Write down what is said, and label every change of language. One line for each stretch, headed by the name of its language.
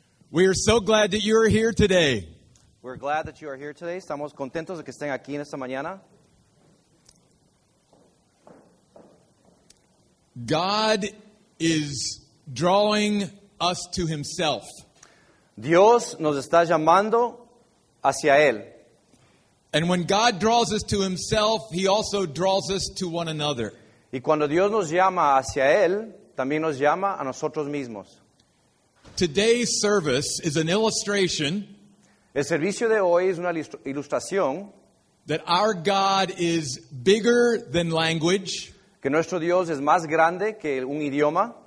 English: We are so glad that you are here today. We're glad that you are here today.
Spanish: Estamos contentos de que estén aquí en esta mañana.
English: God is drawing us to himself.
Spanish: Dios nos está llamando hacia él.
English: And when God draws us to himself, he also draws us to one another.
Spanish: Y cuando Dios nos llama hacia él, también nos llama a nosotros mismos.
English: Today's service is an illustration.
Spanish: El servicio de hoy es una ilustración.
English: That our God is bigger than language.
Spanish: Que nuestro Dios es más grande que un idioma.